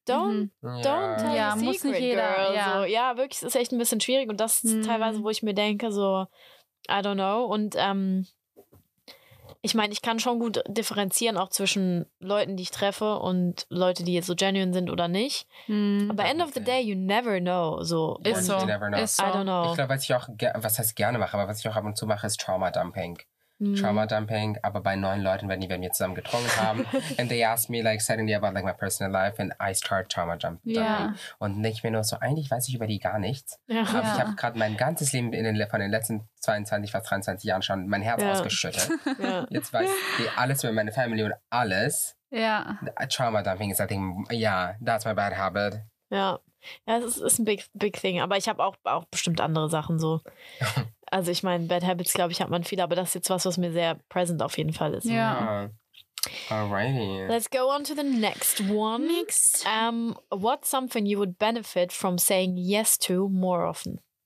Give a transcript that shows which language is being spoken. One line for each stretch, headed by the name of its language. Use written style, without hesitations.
English: Don't tell the secret,
German: muss nicht jeder, girl. Ja. So. Ja, wirklich, es ist echt ein bisschen schwierig und das ist teilweise, wo ich mir denke, so,
English: I don't know.
German: Und, ich meine, ich kann schon gut differenzieren auch zwischen Leuten, die ich treffe und Leute, die jetzt so genuine sind oder nicht.
English: Aber end of the day, you never know.
German: So. Ist so.
English: You never know.
German: Ist so.
English: I don't know.
German: Ich glaube, was ich auch ab und zu mache, ist Trauma-Dumping. Trauma-Dumping, aber bei 9 Leuten, wenn die bei mir zusammen getrunken haben
English: and they ask me, like, suddenly about, like, my personal life and I start trauma-dumping. Yeah.
German: Und nicht mehr nur so, eigentlich weiß ich über die gar nichts. Ja. Aber ich habe gerade mein ganzes Leben von den letzten 22, fast 23 Jahren schon mein Herz ausgeschüttet. Ja. Jetzt weiß ich alles über meine Family und alles. Ja. Trauma-Dumping ist,
English: I think, yeah, that's my bad habit.
German: Ja. Ja, es ist ein
English: big thing,
German: aber ich habe auch bestimmt andere Sachen so. Also ich meine, Bad Habits, glaube ich, hat man viele, aber das ist jetzt was mir sehr present auf jeden Fall ist. Ja.
English: Alrighty. Let's go on to the next one. Next. What's something you would benefit from saying yes to more often?